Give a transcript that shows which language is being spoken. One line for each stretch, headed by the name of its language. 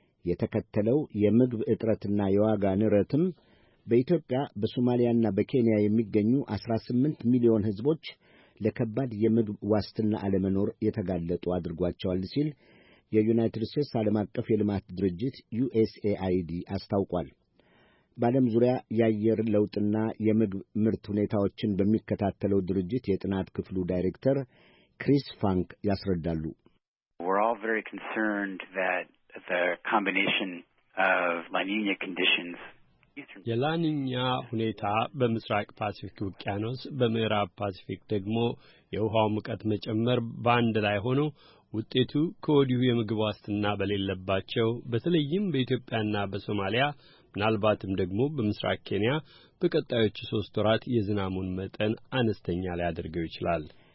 Amharic: የተከተለው የምግብ እጥረትና የዋጋ ንረትም በኢትዮጵያ በሶማሊያና በኬንያ የሚገኙ 18 ሚሊዮን ህዝቦች ለከባድ የምግብ ዋስትና አለመኖር የተጋለጡ አድርጓቸዋል ሲል የዩናይትድ ስቴትስ ዓለም አቀፍ የልማት ድርጅት USAID አስታውቋል። በዓለም ዙሪያ የአየር ለውጥና የምግብ ምርት ሁኔታዎችን በሚከታተለው ድርጅት የጥናት ክፍሉ ዳይሬክተር ክሪስ ፋንክ ያስረዳሉ።
English: We're all very concerned that the combination of La Niña conditions
Amharic: የላኒኛ ሁኔታ በምስራቅ ፓሲፊክ ውቅያኖስ በምዕራብ ፓሲፊክ ደግሞ የውሃው ሙቀት መጨመር ባንድ ላይ ሆኖ ውጤቱ ከወዲሁ የምግብ ዋስትና በሌለባቸው በተለይም በኢትዮጵያና በሶማሊያ ምናልባትም ደግሞ በምስራቅ ኬንያ በቀጣዮቹ 3 ወራት የዝናሙን መጠን አነስተኛ ሊያደርገው ይችላል።